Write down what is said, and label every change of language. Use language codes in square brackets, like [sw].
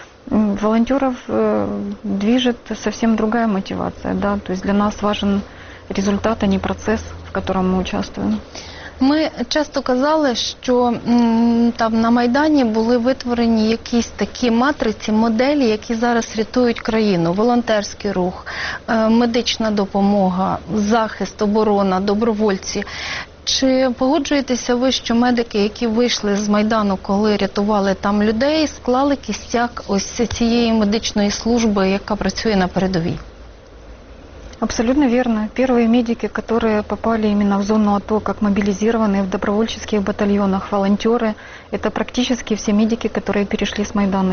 [ru] Волонтеров движет совсем другая мотивация. Да? То есть для нас важен результат, а не [uk] процес, в якому ми участвуємо. Ми часто казали, що там на Майдані були витворені якісь такі матриці, моделі, які зараз рятують країну. Волонтерський рух, медична допомога, захист, оборона, добровольці. Чи погоджуєтеся ви, що медики, які вийшли з Майдану, коли рятували там людей, склали кістяк ось цієї медичної служби, яка працює на передовій? [ru] Абсолютно верно. Первые медики, которые попали именно в зону АТО, как мобилизированные в добровольческих батальонах, волонтеры, это практически все медики, которые перешли с Майдана.